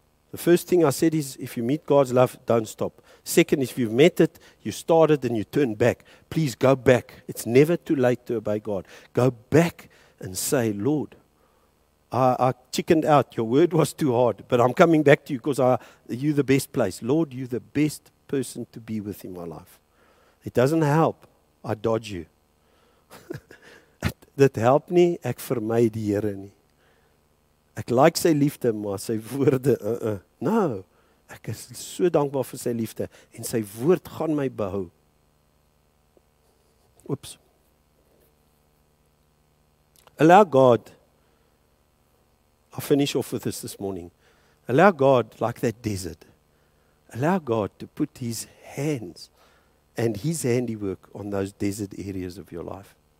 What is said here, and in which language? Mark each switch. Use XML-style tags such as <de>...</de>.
<en>The first thing I said is, if you meet God's love, don't stop. Second, if you've met it, you started and you turned back, please go back. It's never too late to obey God. Go back and say, Lord, I chickened out. Your word was too hard, but I'm coming back to you because you're the best place. Lord, you're the best person to be with in my life. It doesn't help. I dodge you.</en> <af>Dit help nie, ek vermy die Here nie. Ek like sy liefde, maar sy woorde, No, ek is so dankbaar vir sy liefde, en sy woord gaan my behou. Oeps.</af> <en>Allow God, I'll finish off with this morning, allow God, like that desert, allow God to put His hands and His handiwork on those desert areas of your life.</en>